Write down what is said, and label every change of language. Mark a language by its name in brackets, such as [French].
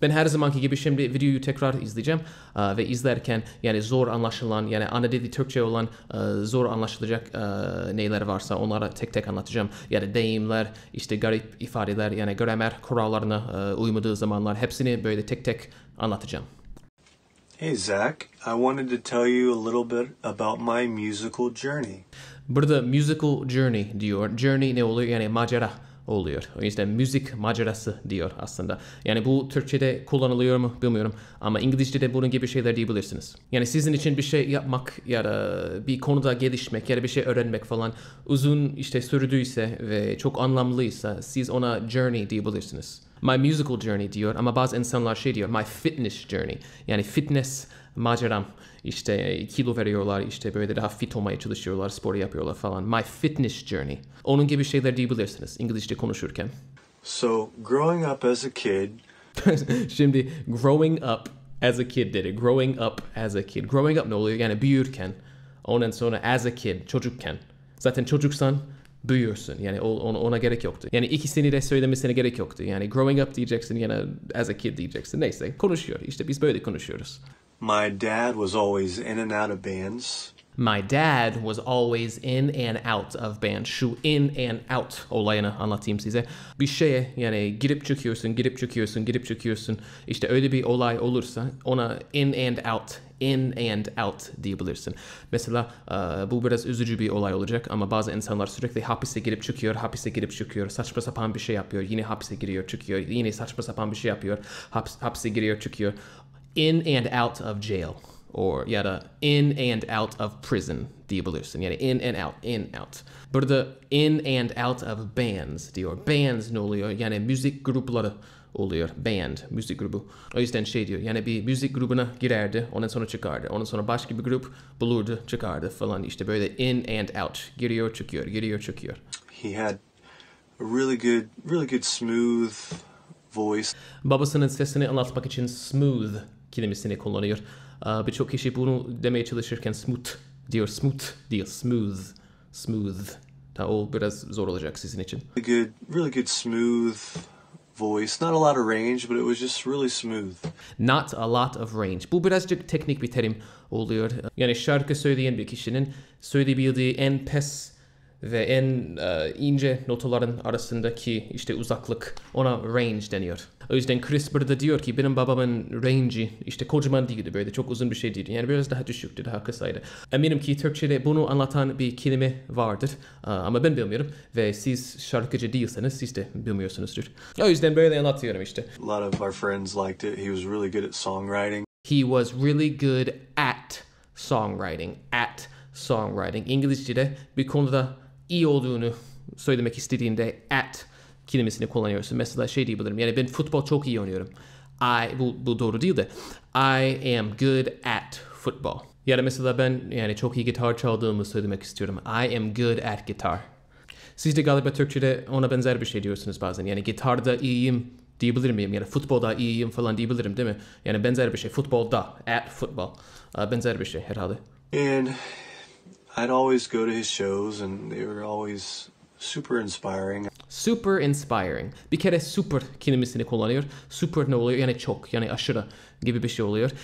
[Turkish] Ben her zamanki gibi şimdi videoyu tekrar izleyeceğim. Ve izlerken yani zor anlaşılan, yani ana dili Türkçe olan zor anlaşılacak neyler varsa onlara tek tek anlatacağım. Yani deyimler, işte garip ifadeler, yani gramer kurallarına uymadığı zamanlar hepsini böyle tek tek anlatacağım. [English] Hey Zach, I wanted to tell you a little bit about my musical journey. [Turkish] Burada musical journey diyor. Journey ne oluyor? Yani macera oluyor. O yüzden müzik macerası diyor aslında. Yani bu Türkçe'de kullanılıyor mu bilmiyorum. Ama İngilizce'de bunun gibi şeyler diyebilirsiniz. Yani sizin için bir şey yapmak ya da bir konuda gelişmek ya da bir şey öğrenmek falan uzun işte sürdüyse ve çok anlamlıysa siz ona journey diyebilirsiniz. [English] My musical journey [Turkish] diyor ama bazı insanlar şey diyor, [English] my fitness journey. [Turkish] Yani fitness maceram, işte kilo veriyorlar, işte böyle daha fit olmaya çalışıyorlar, spor yapıyorlar falan. [English] My fitness journey. [Turkish] Onun gibi şeyler diyebilirsiniz İngilizce konuşurken. [English] So growing up as a kid. [Turkish] Şimdi [English] growing up as a kid [Turkish] dedi. [English] Growing up as a kid. [Turkish] Growing up ne oluyor? Yani büyürken. Ondan sonra [English] as a kid, [Turkish] çocukken. Zaten çocuksan büyüyorsun. Yani ona gerek yoktu. Yani ikisini de söylemesine gerek yoktu. Yani growing up diyeceksin ya da as a kid diyeceksin. Neyse, konuşuyor. İşte biz böyle konuşuyoruz. [English] My dad was always in and out of bands. My dad was always in and out of bands. [Turkish] Şu in and out olayını anlatayım size. Bir şeye yani girip çıkıyorsun, girip çıkıyorsun, girip çıkıyorsun. İşte öyle bir olay olursa ona [English] in and out, in and out [Turkish] diyebilirsin. Mesela bu biraz üzücü bir olay olacak ama bazı insanlar sürekli hapise girip çıkıyor, hapise girip çıkıyor, saçma sapan bir şey yapıyor, yine hapise giriyor, çıkıyor, yine saçma sapan bir şey yapıyor, hapise giriyor, çıkıyor. [English] In and out of jail. Or [Turkish] ya da [English] in and out of prison diyebilirsin. [Turkish] Yani in and out, in out. Burada [English] in and out of bands [Turkish] diyor. Bands ne oluyor? Yani müzik grupları oluyor. Band, müzik grubu. O yüzden şey diyor. Yani bir müzik grubuna girerdi, ondan sonra çıkardı. Ondan sonra başka bir grup bulurdu, çıkardı falan. İşte böyle in and out. Giriyor, çıkıyor, giriyor, çıkıyor. [English] He had a really good smooth voice. [Turkish] Babasının sesini anlatmak için smooth kelimesini kullanıyor. Birçok kişi bunu demeye çalışırken smooth diyor, smooth, smooth. Ta o biraz zor olacak sizin için. [English] Really good smooth voice, not a lot of range, but it was just really smooth. Not a lot of range. [Turkish] Bu birazcık teknik bir terim oluyor. Yani şarkı söyleyen bir kişinin söyleyebildiği en pes ve en ince notaların arasındaki işte uzaklık, ona range deniyor. O yüzden Chris burada diyor ki benim babamın range'i işte kocaman değildi, böyle çok uzun bir şey değildi. Yani biraz daha düşüktü, daha kısaydı. Eminim ki Türkçe'de bunu anlatan bir kelime vardır ama ben bilmiyorum. Ve siz şarkıcı değilseniz siz de bilmiyorsunuzdur. O yüzden böyle anlatıyorum işte. [English] A lot of our friends liked it. He was really good at songwriting. He was really good at songwriting. At songwriting. [Turkish] İngilizce'de bir konuda iyi olduğunu söylemek istediğinde at kelimesini kullanıyorsun. Mesela şey diyebilirim. Yani ben futbol çok iyi oynuyorum. Bu doğru değil de. [English] I am good at football. [Turkish] Ya da mesela ben yani çok iyi gitar çaldığımı söylemek istiyorum. [English] I am good at guitar. [Turkish] Siz de galiba Türkçe'de ona benzer bir şey diyorsunuz bazen. Yani gitarda iyiyim diyebilir miyim? Yani futbolda iyiyim falan diyebilirim değil mi? Yani benzer bir şey. Futbolda. [English] At football. [Turkish] Benzer bir şey herhalde. [English] And I'd always go to his shows and they were always super inspiring. [Turkish] Super inspiring. Bir kere super kelimesini kullanıyor. Super ne oluyor? Yani çok, yani aşırı gibi bir şey oluyor.